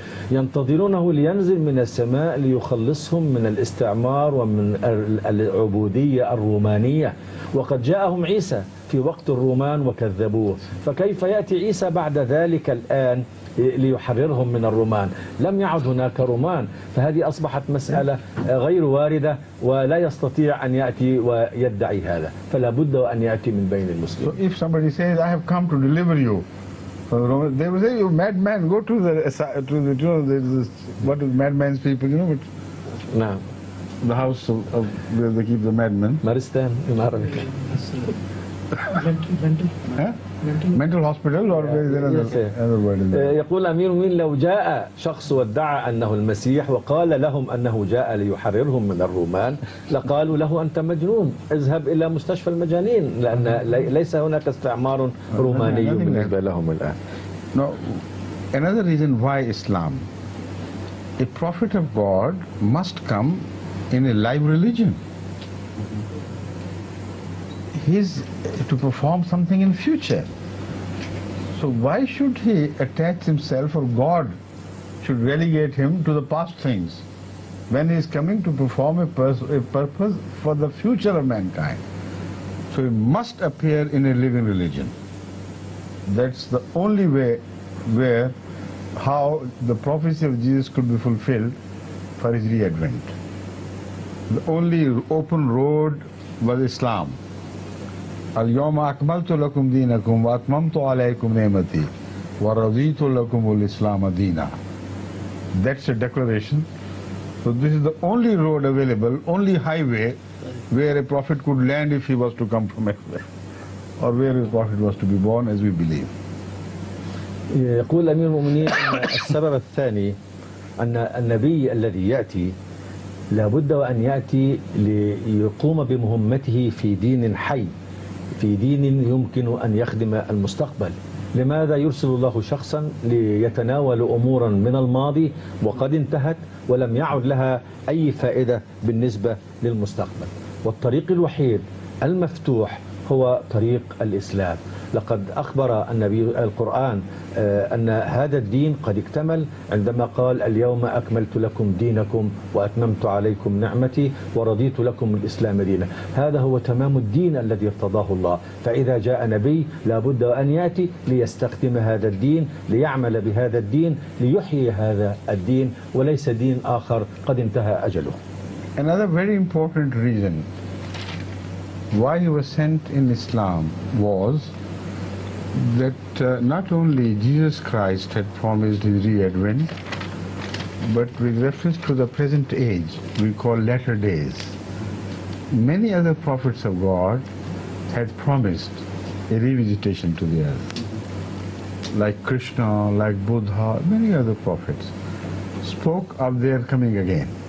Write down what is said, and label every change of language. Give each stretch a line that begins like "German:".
Arabic: ينتظرونه لينزل من السماء ليخلصهم من الاستعمار ومن العبودية الرومانية، وقد جاءهم عيسى في وقت الرومان وكذبوه، فكيف يأتي عيسى بعد ذلك الآن ليحررهم من الرومان؟ لم يعد هناك رومان، فهذه أصبحت مسألة غير واردة، ولا يستطيع أن يأتي ويدعي هذا، فلا بد أن يأتي من بين المسلمين.
English: So if somebody says I have come to deliver you from the Roman, they will say you madman, go to the what is madman's people, you know what? No. The house of where they keep the madman. Maristan in Arabic. Mental hospital, or yeah, there is another word in there. يقول أمير المؤمنين لو جاء شخص وادعى أنه المسيح وقال لهم أنه جاء ليحررهم من الرومان لقالوا له أنت مجنون، اذهب إلى مستشفى المجانين، لأن ليس هناك استعمار روماني بالنسبة لهم الآن. Now, another reason why Islam, a prophet of God must come in a live religion. He's to perform something in future. So why should he attach himself, or God should relegate him to the past things, when he is coming to perform a purpose for the future of mankind? So he must appear in a living religion. That's the only way where how the prophecy of Jesus could be fulfilled for his re-advent. The only open road was Islam.
Arabic: اليوم أكملت لكم دينكم وأتممت عليكم نعمتي ورضيت لكم الإسلام دينا.
English: That's a declaration. So this is the only road available, only highway where a prophet could land if he was to come from anywhere, or where his prophet was to be born, as we believe.
Arabic: يقول أمير المؤمنين أن السبب الثاني أن النبي الذي يأتي لابد وأن يأتي ليقوم بمهمته في دين حي في دين يمكن أن يخدم المستقبل. لماذا يرسل الله شخصا ليتناول أمورا من الماضي وقد انتهت ولم يعد لها أي فائدة بالنسبة للمستقبل؟ والطريق الوحيد المفتوح هو طريق الإسلام. لقد أخبر النبي القرآن أن هذا الدين قد اكتمل عندما قال اليوم أكملت لكم دينكم وأتممت عليكم نعمتي ورضيت لكم الإسلام دينا. هذا هو تمام الدين الذي ارتضاه الله. فإذا جاء نبي لابد أن يأتي ليستخدم هذا الدين، ليعمل بهذا الدين، ليحيي هذا الدين، وليس دين آخر قد انتهى أجله.
English: Another very important reason why he was sent in Islam was that not only Jesus Christ had promised his re-advent, but with reference to the present age, we call latter days, many other prophets of God had promised a revisitation to the earth, like Krishna, like Buddha, many other prophets spoke of their coming again.